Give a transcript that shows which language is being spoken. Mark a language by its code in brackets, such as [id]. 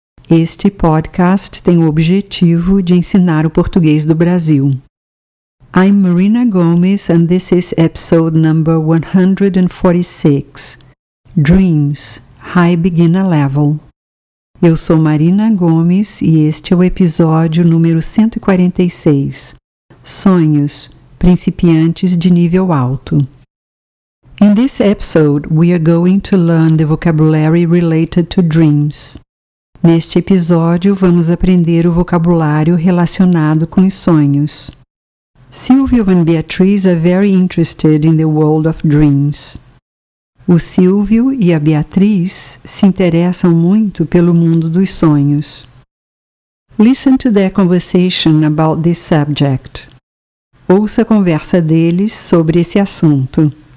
[pt] Este podcast tem o objetivo de ensinar o português do Brasil. [en] I'm Marina Gomes and this is episode number 146. Dreams, High Beginner Level. [pt] Eu sou Marina Gomes e este é o episódio número 146. Sonhos, principiantes de nível alto. [en] In this episode, we are going to learn the vocabulary related to dreams. [pt] Neste episódio, vamos aprender o vocabulário relacionado com os sonhos. [en] Silvio and Beatriz are very interested in the world of dreams. [pt] O Silvio e a Beatriz se interessam muito pelo mundo dos sonhos. [en] Listen to their conversation about this subject. [pt] Ouça a conversa deles sobre esse assunto.